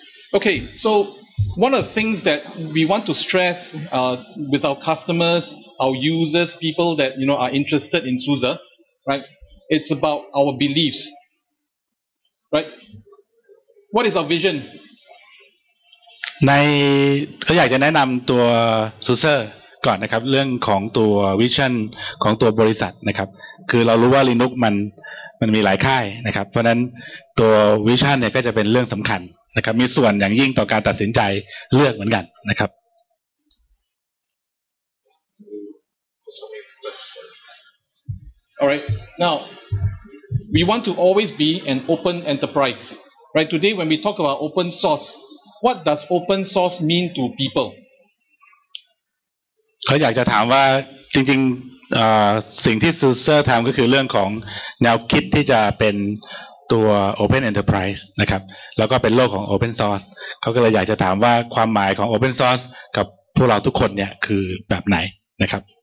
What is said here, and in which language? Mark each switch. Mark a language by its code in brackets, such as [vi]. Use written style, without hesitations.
[en] โอเค so one of the things that we want to stress with our customers our users people that you know are interested in Suza right it's about our beliefs right what is our vision [th] ในก็อยากจะแนะนำตัวซูเซอร์ก่อนนะครับเรื่องของตัววิชั่นของตัวบริษัทนะครับคือเรารู้ว่า Linux มันมีหลายค่ายนะครับเพราะนั้นตัววิชั่นเนี่ยก็จะเป็นเรื่องสำคัญนะครับมีส่วนอย่างยิ่งต่อการตัดสินใจเลือกเหมือนกันนะครับ [en] Alright, now we want to always be an open enterprise, right? Today, when we talk about open source, what does open source mean to people? [th] เขาอยากจะถามว่าจริงๆสิ่งที่ซูเซอร์ทำก็คือเรื่องของแนวคิดที่จะเป็นตัว open enterprise นะครับแล้วก็เป็นโลกของ open source เขาก็เลยอยากจะถามว่าความหมายของ open source กับพวกเราทุกคนเนี่ยคือแบบไหนนะครับ